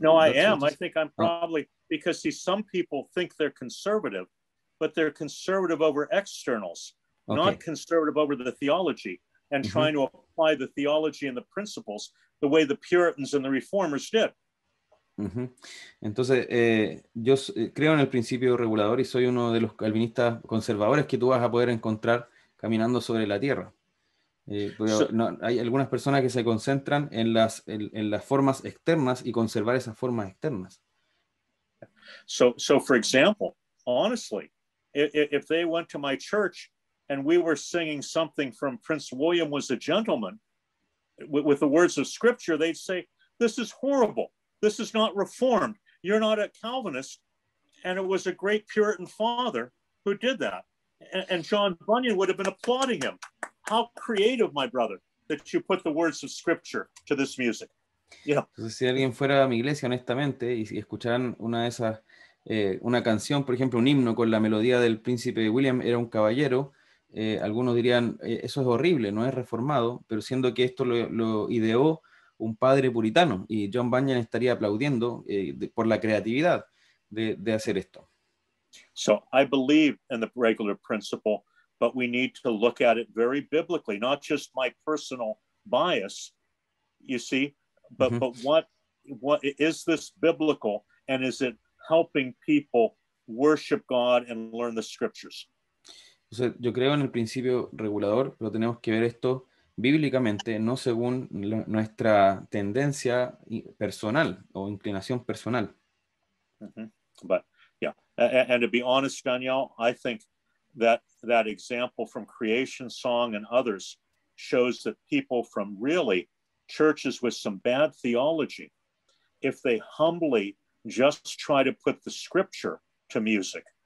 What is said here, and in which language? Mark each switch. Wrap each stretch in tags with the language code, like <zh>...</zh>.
<en>No, that's I am. I think I'm probably, because see, some people think they're conservative, but they're conservative over externals, okay. Not conservative over the theology and mm-hmm. trying to apply the theology and the principles the way the Puritans and the Reformers did.</en> <es>Entonces, yo creo en el principio regulador y soy uno de los calvinistas conservadores que tú vas a poder encontrar caminando sobre la tierra. Pero no, hay algunas personas que se concentran en las formas externas y conservar esas formas externas.</es> <en>So for example, honestly, if they went to my church and we were singing something from Prince William Was a Gentleman with the words of scripture, they'd say, this is horrible. This is not reformed. You're not a Calvinist. And it was a great Puritan father who did that. And John Bunyan would have been applauding him. How creative, my brother, that you put the words of scripture to this music. Yeah.</en> <es>Entonces, si alguien fuera a mi iglesia, honestamente, y si escucharan una de esas, una canción, por ejemplo, un himno con la melodía del príncipe William, era un caballero, algunos dirían, eso es horrible, no es reformado, pero siendo que esto lo ideó un padre puritano, y John Bunyan estaría aplaudiendo por la creatividad de hacer esto.</es> <en>So, I believe in the regular principle, but we need to look at it very biblically, not just my personal bias, you see, but mm-hmm. but what is this biblical, and is it helping people worship God and learn the scriptures?</en> <es>O sea, yo creo en el principio regulador, pero tenemos que ver esto bíblicamente, no según nuestra tendencia personal o inclinación personal. Mm-hmm.</es> <en>But yeah, and to be honest, Danielle, I think that example from Creation Song and others shows that people from really churches with some bad theology, if they humbly just try to put the scripture to music,</en>